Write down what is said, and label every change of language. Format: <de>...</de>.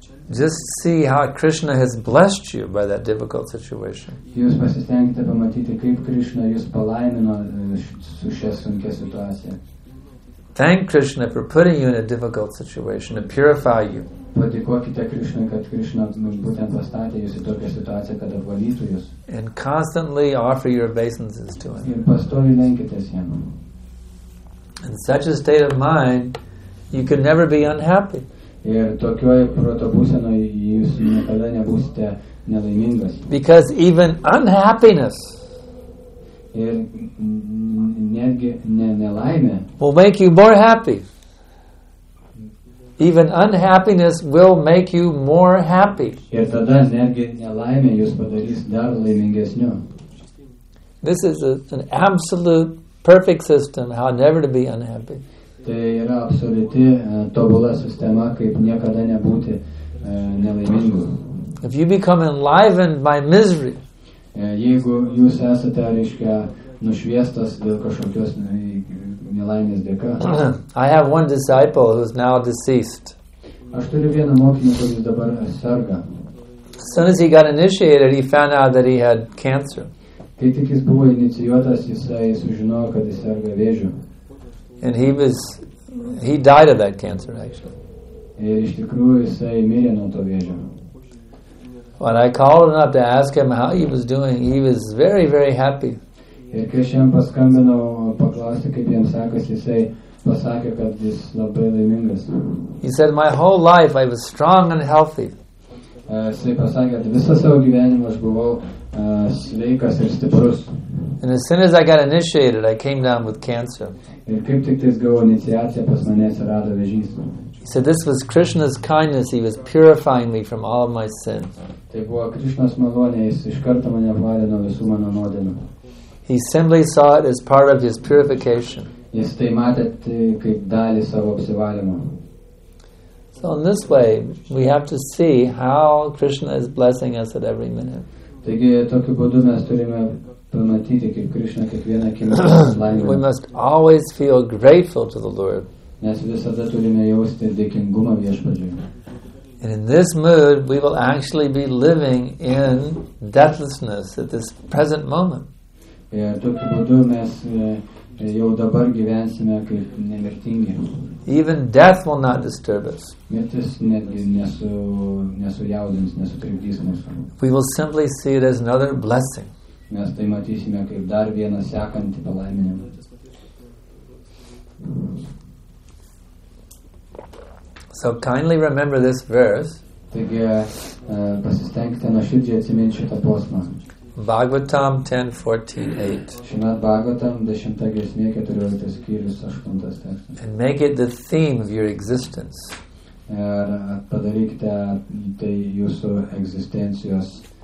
<en>just see how Krishna has blessed you by that difficult situation.</en> <lt>Jūs pasistengite pamatyti, kaip Krishna jūs palaimino su šia sunkia situacija.</lt> <en>Thank Krishna for putting you in a difficult situation to purify you.</en> <lt>Padėkokite Krishna, kad Krishna būtent pastatė jūs į tokią situaciją, kad apvalytų jūs.</lt> <en>And constantly offer your obeisances to him.</en> <lt>Ir pastoviai lenkitės jam.</lt> <en>In such a state of mind, you could never be unhappy.</en> <lt>Ir tokioj proto būsenoj jūs niekada nebūsite nelaimingas.</lt> <en>Because even unhappiness</en> <lt>ir netgi nelaimė</lt> <en>will make you more happy. Even unhappiness will make you more happy.</en> <lt>Ir tada netgi nelaimė jūs padarys dar laimingesniu.</lt> <en>This is an absolute perfect system how never to be unhappy.</en> <lt>Tai yra absoliuti tobula sistema, kaip niekada nebūti nelaimingu.</lt> <en>If you become enlivened by misery,</en> <lt>jeigu jūs esate, reiškia, nušviestas dėl kažkokios nelaimės dėka.</lt> <en>I have one disciple who is now deceased.</en> <lt>Aš turiu vieną mokinį, kuris dabar serga.</lt> <en>As soon as he got initiated, he found out that he had cancer.</en> <lt>Kai tik jis buvo inicijuotas, jisai sužinojo, kad jis serga vėžiu.</lt> <en>And he died of that cancer, actually.</en> <lt>Ir iš tikrųjų jisai mirė nuo to vėžio.</lt> <en>When I called him up to ask him how he was doing, he was very, very happy.</en> <lt>Ir kai aš jam paskambinau paklausti, kaip jam sekasi, jisai pasakė, kad jis labai laimingas.</lt> <en>He said, my whole life I was strong and healthy.</en> <lt>Jisai pasakė, kad visą savo gyvenimą aš buvau sveikas ir stiprus.</lt> <en>And as soon as I got initiated, I came down with cancer.</en> <lt>Ir kaip tik tais gavau iniciaciją, pas mane atsirado vėžys.</lt> <en>He said, this was Krishna's kindness. He was purifying me from all of my sins.</en> <lt>Tai buvo Krishna's malonė, jis iš karto mane apvalė nuo visų mano nuodėmių.</lt> <en>He simply saw it as part of his purification.</en> <lt>Jis tai matė kaip dalį savo apsivalymo.</lt> <en>So in this way, we have to see how Krishna is blessing us at every minute.</en> <lt>Taigi, tokiu būdu mes turime pamatyti, kaip Krishna kiekvieną akimirką laimina.</lt> <en>We must always feel grateful to the Lord.</en> <lt>Mes visada turime jausti dėkingumą viešpačiui.</lt> <en>And in this mood, we will actually be living in deathlessness at this present moment.</en> <lt>Ir tokiu būdu mes jau dabar gyvensime kaip nemirtingi.</lt> <en>Even death will not disturb us.</en> <lt>Mirtis netgi nesujaudins, nesutrikdys mūsų.</lt> <en>We will simply see it as another blessing.</en> <lt>Mes tai matysime kaip dar vieną sekantį palaiminimą.</lt> <en>So kindly remember this verse.</en> <lt>Taigi, pasistengite nuo širdžiai atsiminti šitą posmą.</lt> <en>Bhagavatam 10.14.8.</en> <lt>Šimat Bhagavatam 10. Giesmė 14. Skyrius 8. tekstas.</lt> <en>And make it the theme of your existence.</en> <lt>Ir padarykite tai jūsų egzistencijos.</lt>